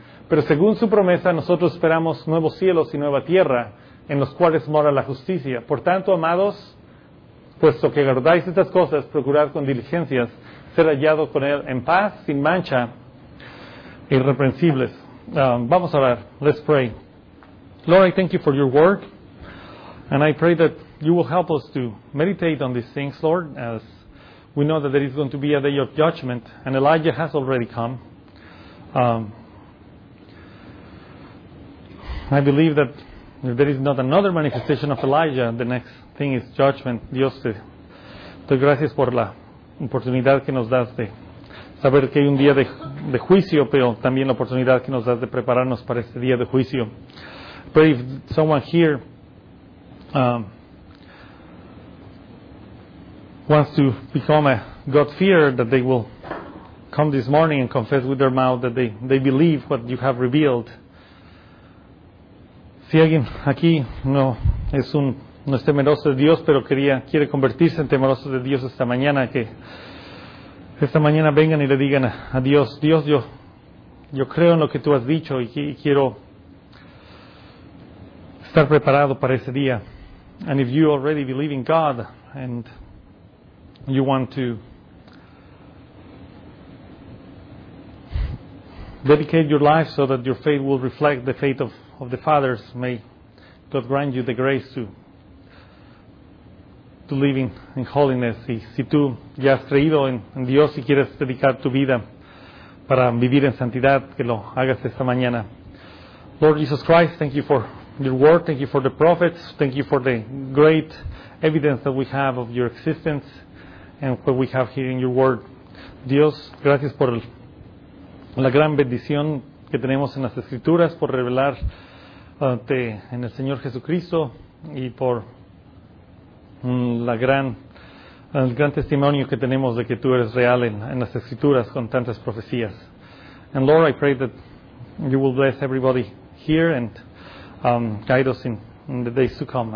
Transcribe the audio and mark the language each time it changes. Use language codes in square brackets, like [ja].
[es] Pero según su promesa, nosotros esperamos nuevos cielos y nueva tierra en los cuales mora la justicia. Por tanto, amados, puesto que guardáis estas cosas, procurad con diligencias ser hallados con Él en paz, sin mancha, irreprensibles. Vamos a orar. [en] Let's pray. Lord, I thank You for Your work, and I pray that You will help us to meditate on these things, Lord, as we know that there is going to be a day of judgment, and Elijah has already come. I believe that if there is not another manifestation of Elijah, the next thing is judgment. [es] Dios, te doy gracias por la oportunidad que nos das de saber que hay un día de juicio, pero también la oportunidad que nos das de prepararnos para este día de juicio. [en] Pero if someone here wants to become a God-fearer, that they will come this morning and confess with their mouth that they believe what You have revealed, [es] Si alguien aquí no es un no es temeroso de Dios, pero quiere convertirse en temeroso de Dios esta mañana, que esta mañana vengan y le digan a Dios: Dios, yo creo en lo que tú has dicho y quiero estar preparado para ese día. [en] And if you already believe in God and you want to dedicate your life so that your faith will reflect the faith of the fathers, may God grant you the grace to live in holiness. [es] Y si tú ya has creído en Dios y quieres dedicar tu vida para vivir en santidad, que lo hagas esta mañana. [en] Lord Jesus Christ, thank you for your word, thank you for the prophets, thank you for the great evidence that we have of your existence and what we have here in your word. [es] Dios, gracias por la gran bendición que tenemos en las Escrituras, por revelarte en el Señor Jesucristo y por el gran testimonio que tenemos de que tú eres real en las Escrituras con tantas profecías. [en] And Lord, I pray that you will bless everybody here and guide us in the days to come.